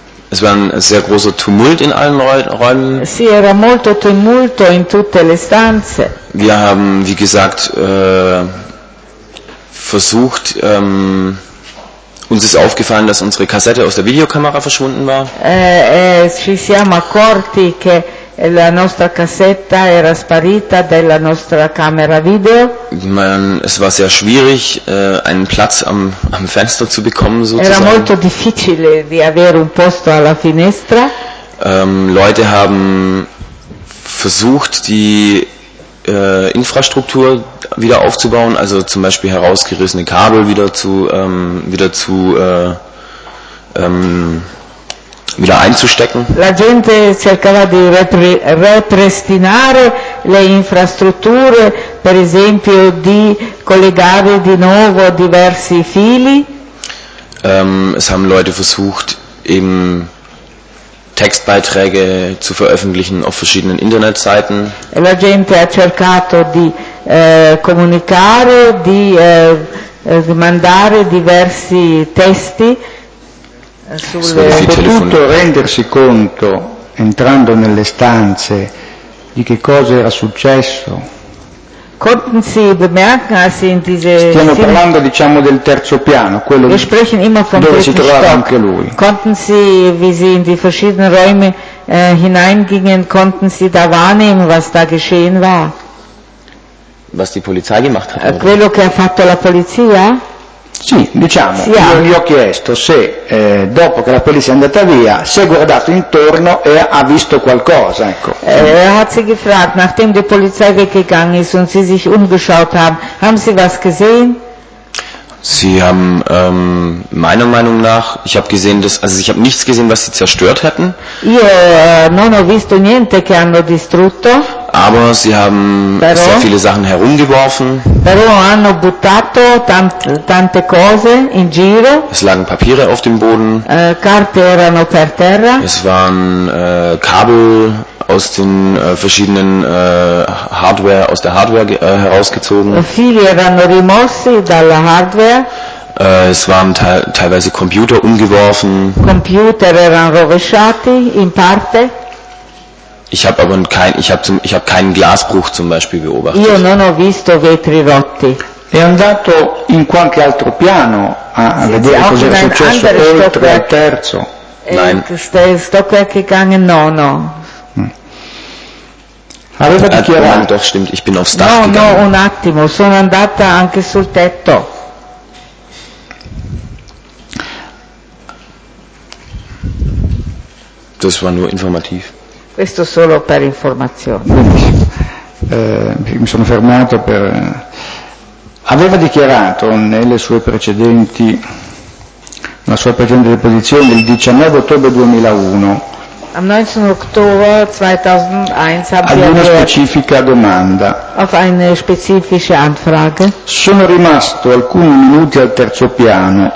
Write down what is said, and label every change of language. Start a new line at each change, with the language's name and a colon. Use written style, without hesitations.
German: Es war ein sehr großer Tumult in allen Räumen.
Italian: Sì, era molto tumulto in tutte le stanze.
German: Wir haben, wie gesagt, versucht, uns ist aufgefallen, dass unsere Kassette aus der Videokamera verschwunden war.
Italian: Ci siamo accorti che la nostra cassetta era sparita della nostra camera video.
German: Es war sehr schwierig, einen Platz am Fenster zu bekommen, sozusagen.
Italian: Era molto difficile di avere un posto alla finestra.
German: Leute haben versucht, die Infrastruktur wieder aufzubauen, also zum Beispiel herausgerissene Kabel wieder einzustecken.
Italian: La gente cercava di ripristinare le infrastrutture per esempio di collegare di nuovo diversi fili.
German: Es haben Leute versucht, eben Textbeiträge zu veröffentlichen auf verschiedenen Internetseiten.
Italian: La gente ha cercato di comunicare, di mandare diversi testi sulle telefonate, rendersi conto entrando nelle stanze di che cosa era successo.
German: Konnten Sie bemerken, als Sie in diese
Italian: Stiamo parlando diciamo del terzo piano, quello dove si trovava
German: Stock.
Italian: Anche lui.
German: Konnten Sie, wie Sie in die verschiedenen Räume hineingingen, konnten Sie da wahrnehmen, was da geschehen war? Was die Polizei gemacht hat?
Italian: Quello che ha fatto la polizia? Sì, diciamo, sì, io gli ho chiesto se dopo che la polizia è andata via, si è guardato intorno e ha visto qualcosa, ecco.
German: Hat sie gefragt, nachdem die Polizei weggegangen ist und sie sich umgeschaut haben, haben Sie was gesehen? Sie haben meiner Meinung nach, ich habe gesehen, dass also ich habe nichts gesehen, was sie zerstört hätten.
Italian: Io non ho visto niente che hanno distrutto.
German: Aber sie haben
Italian: però,
German: sehr viele Sachen herumgeworfen.
Italian: Però hanno buttato tante cose in giro.
German: Es lagen Papiere auf dem Boden.
Italian: Carte erano per terra.
German: Es waren Kabel aus den verschiedenen Hardware, aus der Hardware herausgezogen.
Italian: Viele erano rimossi dalla Hardware.
German: Es waren teilweise Computer umgeworfen.
Italian: Computer erano rovesciati in parte.
German: Ich habe keinen Glasbruch zum Beispiel beobachtet.
Italian: Io non ho visto vetri rotti. È andato in qualche altro piano a vedere cosa era successo oltre al terzo.
German: Nein. Stockwerk gegangen?
Italian: No, no. Aveva dichiarato.
German: Nein, doch stimmt. Ich bin aufs Dach gegangen.
Italian: No, un attimo. Sono andata anche sul tetto.
German: Das war nur informativ.
Italian: Questo solo per informazione. Mi sono fermato per... Aveva dichiarato nelle sue precedenti, nella sua precedente deposizione, il 19 ottobre 2001. Am 19 ottobre 2001 ad una specifica domanda.
German: Auf eine spezifische Anfrage.
Italian: Sono rimasto alcuni minuti al terzo piano